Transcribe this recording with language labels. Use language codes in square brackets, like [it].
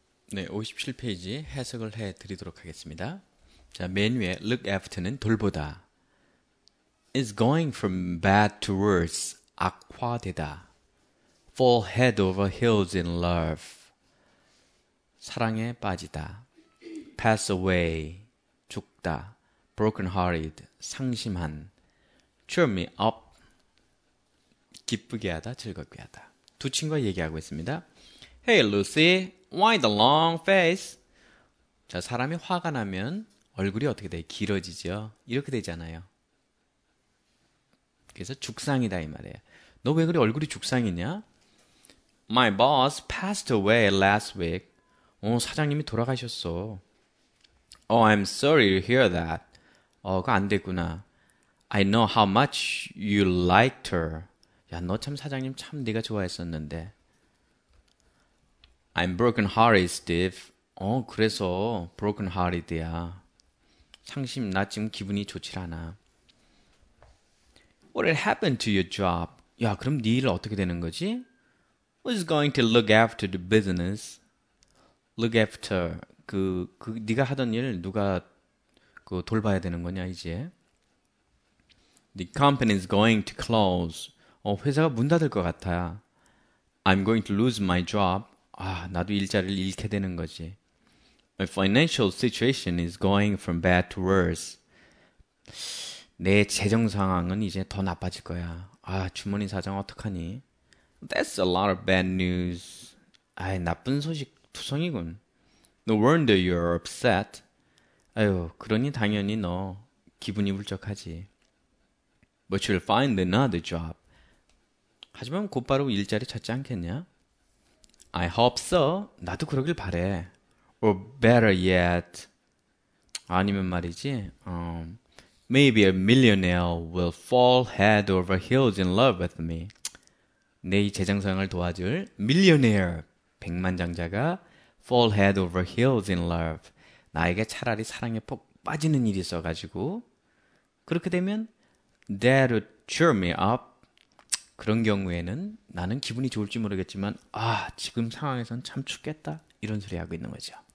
[ko] 네, 57페이지 해석을 해 드리도록 하겠습니다. 자, 맨 위에 look after는 돌보다. [en] is going from bad to worse. [ko] 악화되다. [en] fall head over heels in love. [ko] 사랑에 빠지다. [en] pass away. [ko] 죽다. [en] broken hearted. [ko] 상심한. [en] cheer me up. [ko] 기쁘게 하다. 즐겁게 하다. 두 친구가 얘기하고 있습니다. [en] Hey, Lucy. Why the long face? [ko] 자, 사람이 화가 나면 얼굴이 어떻게 돼? 길어지죠? 이렇게 되잖아요. 그래서 죽상이다, 이 말이에요. 너왜 그래? 얼굴이 죽상이냐? [en] My boss passed away last week. [ko] 사장님이 돌아가셨어. [en] Oh, I'm sorry to hear that. [ko] 그거 안 됐구나. [en] I know how much you liked her. [ko] 야, 너참 사장님 참 네가 좋아했었는데. [en] I'm broken hearted, Steve. [ko] 그래서 broken hearted야. 상심, 나 지금 기분이 좋질 않아. [en] What happened to your job? [ko] 야, 그럼 네일 어떻게 되는 거지? [en] Who's going to look after the business? [ko] Look after 네가 하던 일 누가 돌봐야 되는 거냐 이제? [en] The company's going to close. [ko] 회사가 문 닫을 것 같아. [en] I'm going to lose my job. [ko] 아, 나도 일자리를 잃게 되는 거지. [en] My financial situation is going from bad to worse. [ko] 내 재정 상황은 이제 더 나빠질 거야. 아, 주머니 사정 어떡하니? [en] That's a lot of bad news. [ko] 아, 나쁜 소식 투성이군. [en] No wonder you're upset. [ko] 아유, 그러니 당연히 너 기분이 울적하지. [en] But you'll find another job. [ko] 하지만 곧바로 일자리 찾지 않겠냐? [en] I hope so. [ko] 나도 그러길 바래. [en] Or better yet. [ko] 아니면 말이지, [en] maybe a millionaire will fall head over heels in love with me. [ko] 내이 재정 상황을 도와줄 [en] millionaire, [ko] 백만장자가 [en] fall head over heels in love. [ko] 나에게 차라리 사랑에 푹 빠지는 일이 있어가지고. 그렇게 되면, [en] that'll cheer me up. [ko] 그런 경우에는 나는 기분이 좋을지 모르겠지만, 아, 지금 상황에선 참 춥겠다. 이런 소리 하고 있는 거죠.